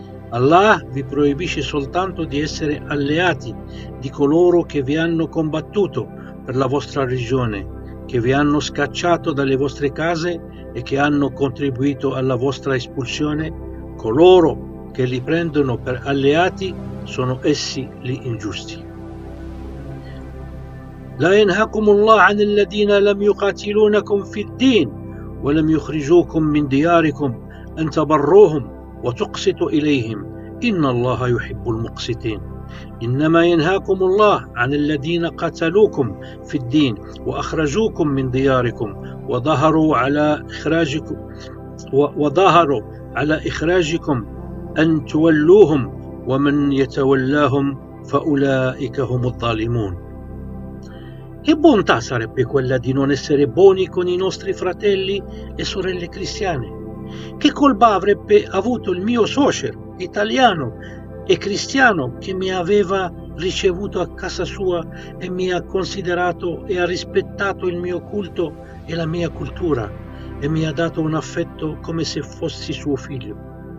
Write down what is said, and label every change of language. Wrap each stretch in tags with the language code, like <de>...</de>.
<it>Allah vi proibisce soltanto di essere alleati di coloro che vi hanno combattuto per la vostra religione, che vi hanno scacciato dalle vostre case e che hanno contribuito alla vostra espulsione. Coloro che li prendono per alleati sono essi gli ingiusti.</it> <ar>La ينهاكم الله عن الذين لم يقاتلونكم في الدين ولم يخرجوكم من دياركم أن تبروهم وتقسطوا إليهم إن الله يحب المقسطين. إنما ينهاكم الله عن الذين قتلوكم في الدين وأخرجوكم من دياركم وظهروا على إخراجكم أن تولوهم ومن يتولاهم فأولئك هم الظالمون.</ar> <it>Che bontà sarebbe quella di non essere buoni con i nostri fratelli e sorelle cristiane? Che colpa avrebbe avuto il mio suocero italiano e cristiano che mi aveva ricevuto a casa sua e mi ha considerato e ha rispettato il mio culto e la mia cultura e mi ha dato un affetto come se fossi suo figlio?</it>